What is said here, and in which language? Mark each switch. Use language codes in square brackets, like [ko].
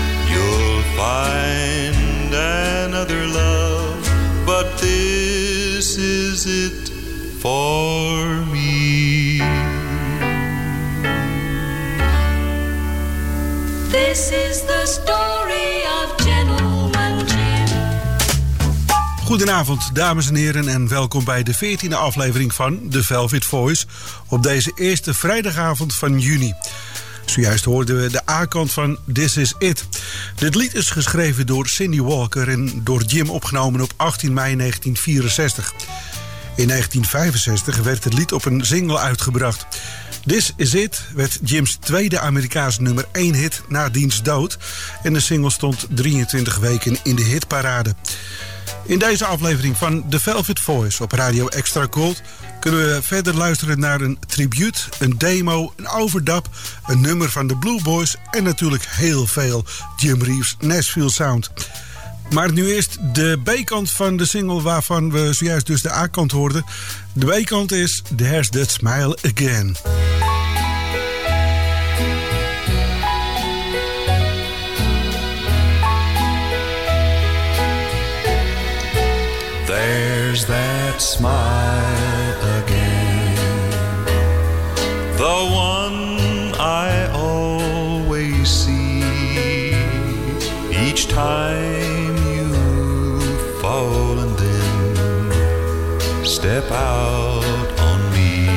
[en] You'll find another love, but this is it for me. This is the story of Gentleman Jim. [nl] Goedenavond, dames en heren, en welkom bij de 14e aflevering van The Velvet Voice op deze eerste vrijdagavond van juni. Zojuist hoorden we de A-kant van This Is It. Dit lied is geschreven door Cindy Walker en door Jim opgenomen op 18 mei 1964. In 1965 werd het lied op een single uitgebracht. This Is It werd Jim's tweede Amerikaanse nummer 1 hit na diens dood en de single stond 23 weken in de hitparade. In deze aflevering van The Velvet Voice op Radio Extra Cold kunnen we verder luisteren naar een tribuut, een demo, een overdub, een nummer van de Blue Boys en natuurlijk heel veel Jim Reeves' Nashville Sound. Maar nu eerst de B-kant van de single waarvan we zojuist dus de A-kant hoorden. De B-kant is There's That Smile Again. [en] There's that smile again, the one I always see each time you fall and then step out on me.